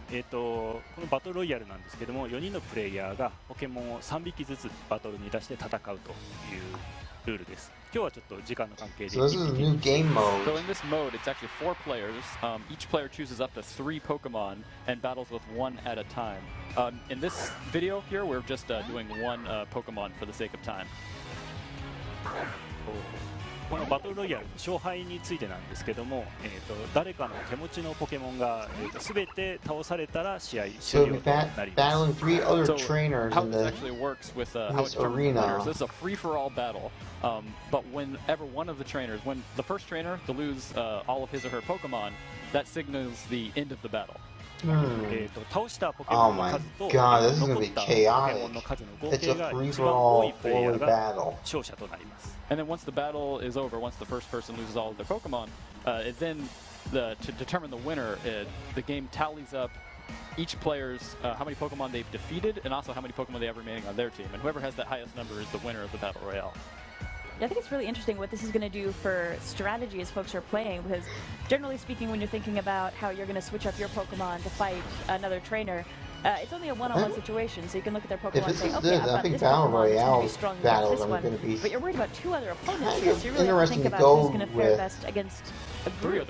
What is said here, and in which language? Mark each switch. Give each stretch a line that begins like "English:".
Japanese: このバトルロイヤルなんですけども、4人のプレイヤーがポケモンを3匹ずつバトルに出して戦うというルールです。今日はちょっと時間の関係で。
English: So this is a new game mode. So in this mode, it's actually 4 players. Each player chooses up to 3 Pokemon and battles with one at a time. In this video here, we're just doing one Pokemon for the sake of time.
Japanese: このバトルロイヤル勝敗についてなんですけども、誰かの手持ちのポケモンが、全て倒されたら試合終了となります。
English: So, battling three other trainers in this arena. This is a free-for-all battle. But whenever one of the trainers, when the first trainer to lose all of his or her Pokemon, that signals the end of the battle.
Japanese: 倒したポケモンの数と残ったポケモンの数の合計が一番多いプレイヤーが勝者となります。
English: And then once the battle is over, once the first person loses all of their Pokemon, then to determine the winner, the game tallies up each player's how many Pokemon they've defeated and also how many Pokemon they have remaining on their team. And whoever has the highest number is the winner of the Battle Royale. I think it's really interesting what this is going to do for strategy as folks are playing, because generally speaking, when you're thinking about how you're going to switch up your Pokemon to fight another trainer, it's only a one-on-one situation, so you can look at their Pokemon and say, okay, I've got this Pokemon, it's going to be strong against this one, but you're worried about two other opponents here, so you really have to think about who's going to fare best against a group.